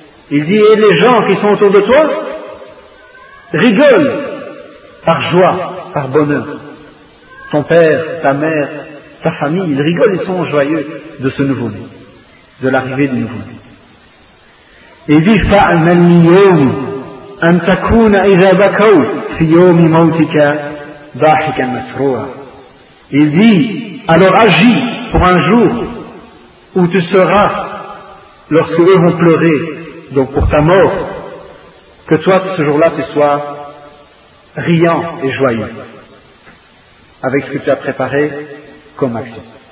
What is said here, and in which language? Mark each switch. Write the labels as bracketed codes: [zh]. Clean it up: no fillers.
[fr] Il dit, et les gens qui sont autour de toi rigolent par joie, par bonheur. Ton père, ta mère, ta famille, ils rigolent, ils sont joyeux de ce nouveau-né, de l'arrivée du nouveau-né. Et il dit, [ar] فَأَمَلْ مِيَوْمِ أَنْ تَكُونَ إِذَا بَكَوْ فِي يَوْمِ مَوْتِكَ ضَاحِكًا مَسْرُورًا. [fr] Il dit, alors agis pour un jour où tu seras, lorsque eux vont pleurer, donc pour ta mort, que toi, ce jour-là, tu sois riant et joyeux avec ce que tu as préparé comme action.